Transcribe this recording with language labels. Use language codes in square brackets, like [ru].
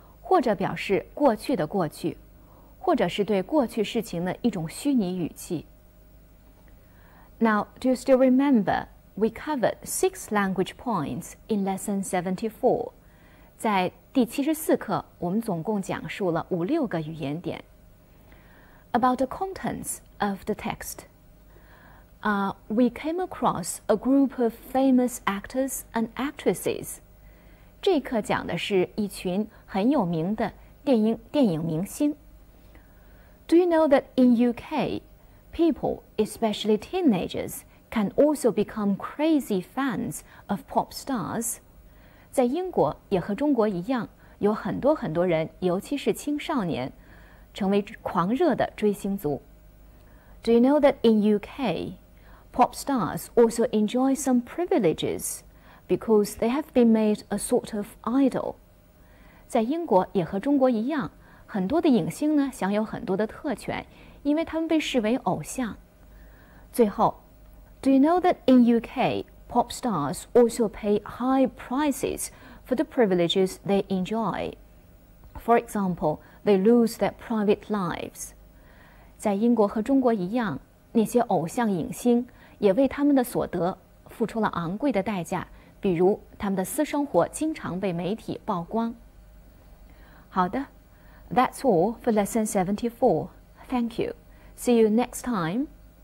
[zh] 或者表示过去的过去，或者是对过去事情的一种虚拟语气。 [en] Now, do you still remember we covered 6 language points in lesson 74? [zh] 在第74课，我们总共讲述了五六个语言点。 [en] About the contents of the text. We came across a group of famous actors and actresses. [zh] 这一课讲的是一群很有名的电影明星。 [en] Do you know that in UK, people, especially teenagers, can also become crazy fans of pop stars? [zh] 在英国也和中国一样，有很多很多人，尤其是青少年，成为狂热的追星族。 [en] Do you know that in UK, pop stars also enjoy some privileges? Because they have been made a sort of idol. [zh] 在英国也和中国一样，很多的影星呢享有很多的特权，因为他们被视为偶像。 [en] 最后 Do you know that in UK, pop stars also pay high prices for the privileges they enjoy? For example, they lose their private lives. [zh] 在英国和中国一样，那些偶像影星也为他们的所得付出了昂贵的代价，比如他们的私生活经常被媒体曝光。好的， [en] That's all for lesson 74. Thank you. See you next time.